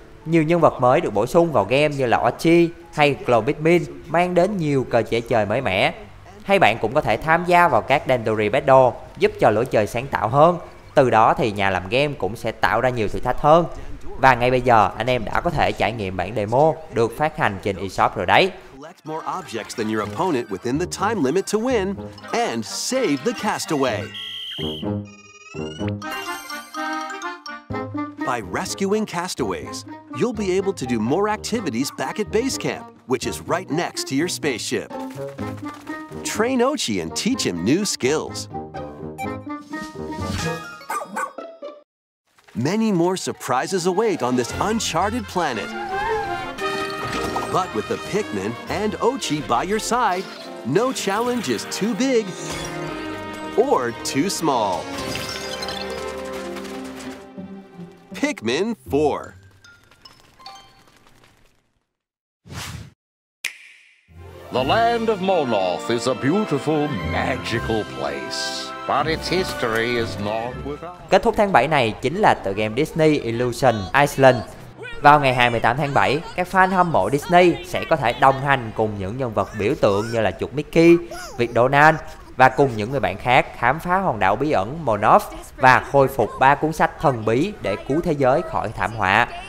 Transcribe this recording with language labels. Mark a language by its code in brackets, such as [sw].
[vi] Nhiều nhân vật mới được bổ sung vào game như là Ochi hay Clone Pikmin, mang đến nhiều cơ chế chơi mới mẻ. Hay bạn cũng có thể tham gia vào các Dandori Battle, giúp cho lối chơi sáng tạo hơn, từ đó thì nhà làm game cũng sẽ tạo ra nhiều thử thách hơn. Và ngay bây giờ, anh em đã có thể trải nghiệm bản demo được phát hành trên eShop rồi đấy. [en] Collect more objects than your opponent within the time limit to win and save the castaway. By rescuing castaways, you'll be able to do more activities back at base camp, which is right next to your spaceship. Train Ochi and teach him new skills. Many more surprises await on this uncharted planet. But with the Pikmin and Ochi by your side, no challenge is too big or too small. Pikmin 4. The land of Molnoth is a beautiful, magical place. But its history is not without... [vi] Kết thúc tháng 7 này chính là tựa game Disney Illusion Island. Vào ngày 28 tháng 7, các fan hâm mộ Disney sẽ có thể đồng hành cùng những nhân vật biểu tượng như là chuột Mickey, vịt Donald và cùng những người bạn khác khám phá hòn đảo bí ẩn Monof và khôi phục ba cuốn sách thần bí để cứu thế giới khỏi thảm họa.